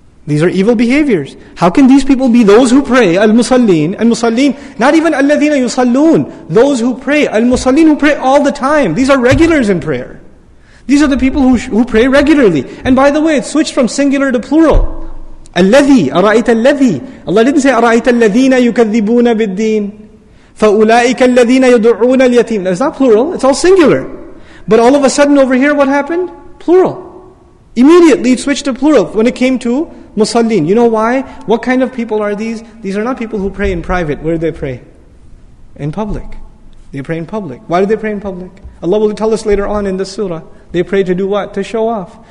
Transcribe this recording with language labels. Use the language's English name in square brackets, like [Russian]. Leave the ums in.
[English] These are evil behaviors. How can these people be those who pray? Al-Musallin, Al-Musallin, not even Alladhina Yusalloon, those who pray. Al-Musallin who pray all the time. These are regulars in prayer. These are the people who, who pray regularly. And by the way, it switched from singular to plural. [Arabic] الذي أرأيت الذي [English] Allah didn't say [Arabic] أرأيت الذين يكذبون بالدين فأولئك الذين يدعون اليتيم [English] That's not plural, it's all singular. But all of a sudden over here, what happened? Plural. Immediately it switched to plural when it came to musallin. You know why? What kind of people are these? These are not people who pray in private. Where do they pray? In public. They pray in public. Why do they pray in public? Allah will tell us later on in the surah. They pray to do what? To show off.